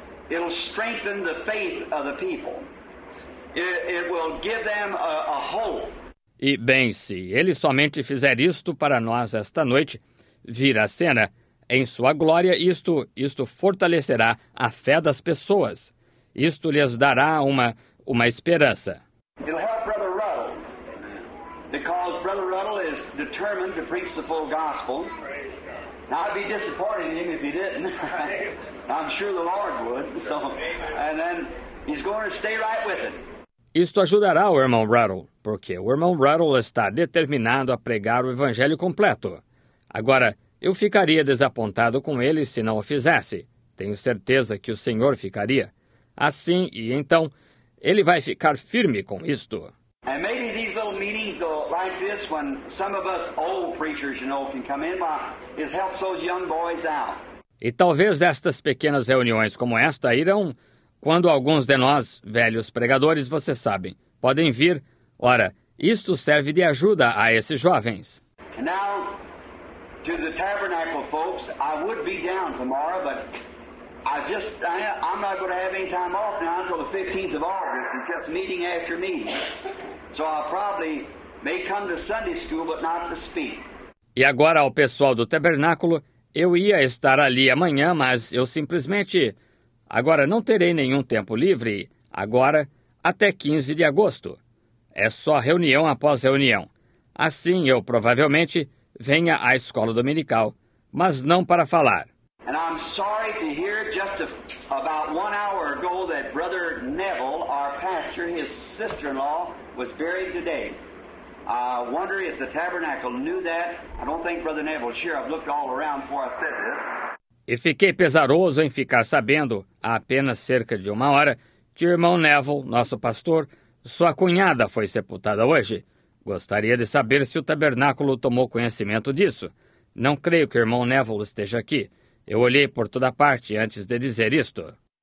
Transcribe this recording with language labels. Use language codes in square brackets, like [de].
[en] It'll strengthen the faith of the people. It will give them a hope. [pt] E bem, se Ele somente fizer isto para nós esta noite, vira a cena, em sua glória isto fortalecerá a fé das pessoas. Isto lhes dará uma esperança. [en] It'll help Brother Ruddle, because Brother Ruddle is determined to preach the full gospel. Now, I'd be disappointed in him if he didn't. I'm sure the Lord would. So, and then he's going to stay right with it. [pt] Isto ajudará o irmão Ruddle, porque o irmão Ruddle está determinado a pregar o evangelho completo. Agora, eu ficaria desapontado com ele se não o fizesse. Tenho certeza que o Senhor ficaria. Assim, e então, ele vai ficar firme com isto. [en] And maybe these little meetings like this, when some of us old preachers, you know, can come in, it helps those young boys out. [pt] E talvez estas pequenas reuniões como esta irão, quando alguns de nós, velhos pregadores, vocês sabem, podem vir. Ora, isto serve de ajuda a esses jovens. [en] Now, to the tabernacle folks, I would be down tomorrow, but I'm not going to have any time off now until the 15th of August. It's just meeting after meeting. So I probably may come to Sunday school, but not to speak. [pt] E agora, ao pessoal do tabernáculo, eu ia estar ali amanhã, mas eu simplesmente... Agora, não terei nenhum tempo livre, agora, até 15 de agosto. É só reunião após reunião. Assim, eu provavelmente venha à escola dominical, mas não para falar. [en] And I'm sorry to hear just about 1 hour ago that Brother Neville, our pastor, his sister-in-law, was buried today. I wonder if the tabernacle knew that. I don't think Brother Neville is here. I've looked all around before I said this. [pt] E fiquei pesaroso em ficar sabendo, há apenas cerca de 1 hora, que o irmão Neville, nosso pastor, sua cunhada foi sepultada hoje. Gostaria de saber se o tabernáculo tomou conhecimento disso. Não creio que o irmão Neville esteja aqui. Eu olhei por toda parte antes de dizer isto.